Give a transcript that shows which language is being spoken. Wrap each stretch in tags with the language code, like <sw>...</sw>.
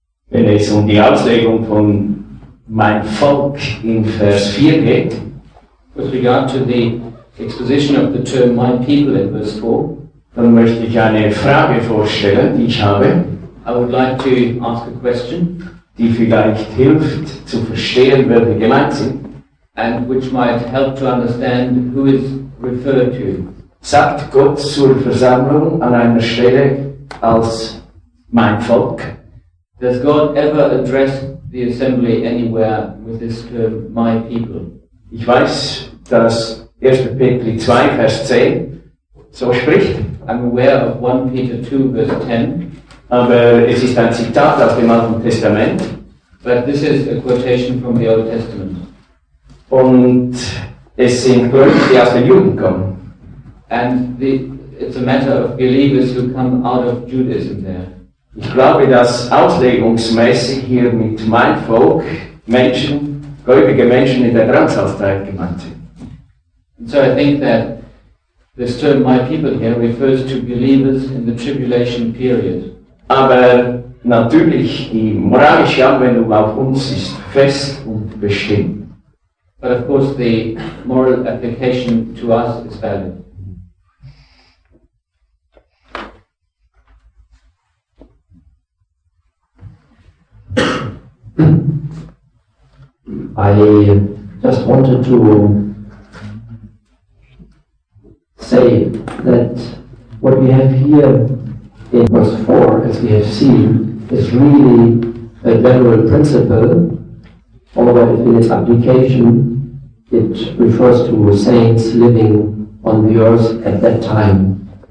<de>Wenn es um die Auslegung von mein Volk in Vers 4 geht,</de> <en>with regard to the exposition of the term my people in verse 4,</en> <de>dann möchte ich eine Frage vorstellen, die ich habe.</de> <en>I would like to ask a question,</en> <de>die vielleicht hilft zu verstehen, wer wir gemeint sind.</de> <en>And which might help to understand who is referred to.</en> <de>Sagt Gott zur Versammlung an einer Stelle als mein Volk?</de> <en>Does God ever address the assembly anywhere with this term, my people?</en> <de>Ich weiß, dass 1. Petri 2, Vers 10 so spricht.</de> <en>I'm aware of 1 Peter 2, verse 10.</en> <de>Aber es ist ein Zitat aus dem Alten Testament.</de> <en>But this is a quotation from the Old Testament.</en> <de>Und es sind Gläubige, die aus den Juden kommen.</de> <en>And it's a matter of believers who come out of Judaism there.</en> <de>Ich glaube, dass auslegungsmäßig hier mit mein Volk Menschen, gläubige Menschen in der Drangsalzeit gemeint sind.</de> <en>And so I think that this term my people here refers to believers in the tribulation period.</en> <de>Aber natürlich, die moralische Anwendung auf uns ist fest und bestimmt.</de> <en>But of course the moral application to us is valid. I just wanted to say that what we have here in verse 4, as we have seen, is really a general principle, although in its application it refers to saints living on the earth at that time.</en>